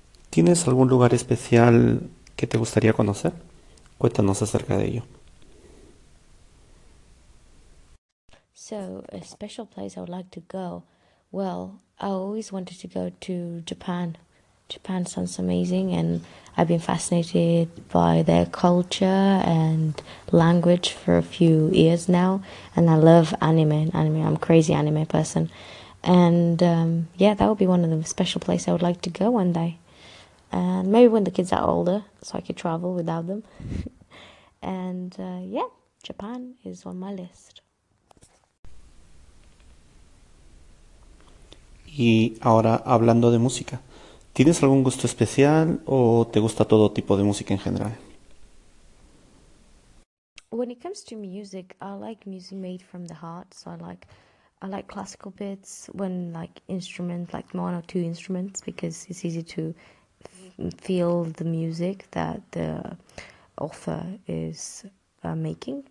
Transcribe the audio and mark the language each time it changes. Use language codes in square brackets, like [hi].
[es] ¿Tienes algún lugar especial que te gustaría conocer? Cuéntanos acerca de ello. [en] So, a special place I would like to go. Well, I always wanted to go to Japan. Japan sounds amazing, and I've been fascinated by their culture and language for a few years now. And I love anime. I'm a crazy anime person. And that would be one of the special places I would like to go one day. And maybe when the kids are older, so I could travel without them. And Japan is on my list. [es] Y ahora hablando de música, ¿tienes algún gusto especial o te gusta todo tipo de música en general? [en] When it comes to music, I like music made from the heart. So I like classical bits when like one or two instruments, because it's easy to feel the music that the author is making.